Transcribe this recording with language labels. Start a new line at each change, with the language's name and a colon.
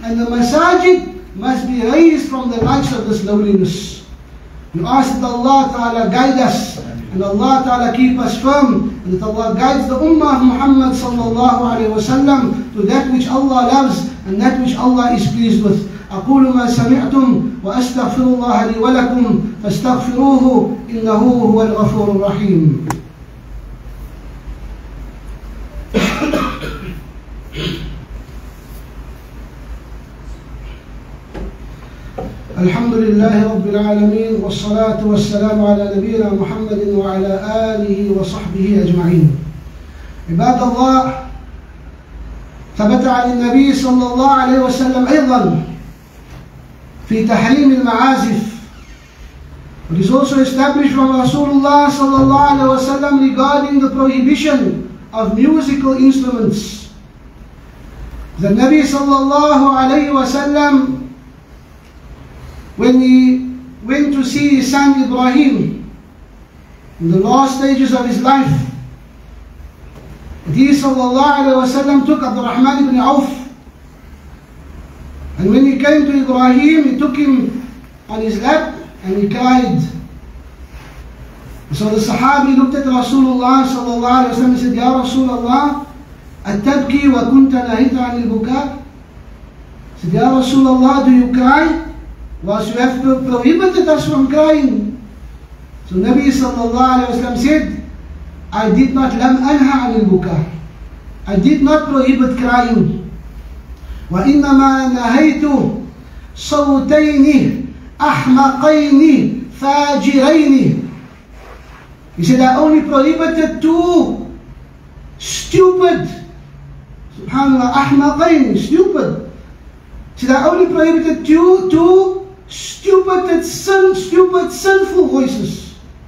English: And the masajid must be raised from the likes of this loneliness. You ask that Allah Ta'ala guide us. And Allah Ta'ala keep us firm. And that Allah guides the ummah of Muhammad sallallahu alayhi wa sallam to that which Allah loves and that which Allah is pleased with.
Arabic: أقول ما سمعتم وأستغفر الله لي ولكم فاستغفروه إنه هو الغفور الرحيم. الحمد لله رب العالمين والصلاة والسلام على نبينا محمد وعلى آله وصحبه أجمعين. عباد الله، ثبت عن النبي صلى الله عليه وسلم أيضا في تحريم المعازف.
English: It is also established from Rasulullah sallallahu alayhi wa sallam regarding the prohibition of musical instruments. The Nabi sallallahu alayhi wa sallam, when he went to see his son Ibrahim in the last stages of his life, he sallallahu alayhi wa sallam took Abdurrahman ibn Auf. And when he came to Ibrahim, he took him on his lap and he cried. So the Sahabi looked at Rasulullah sallallahu alayhi wa sallam and said, Ya Rasulullah,
Arabic: attabki wa kunta nahita anil buka.
English: He said, Ya Rasulullah, do you cry? Was you have prohibited us from crying? So Nabi sallallahu alayhi wa sallam said, I did not
Arabic: lam anha anil buka.
English: I did not prohibit crying.
Arabic: وإنما نهيت صوتين أحمقين فاجرين.
English: He said, I only prohibited two stupid, subhanAllah,
Arabic: أحمقين,
English: stupid. He said, I only prohibited two stupid sinful voices.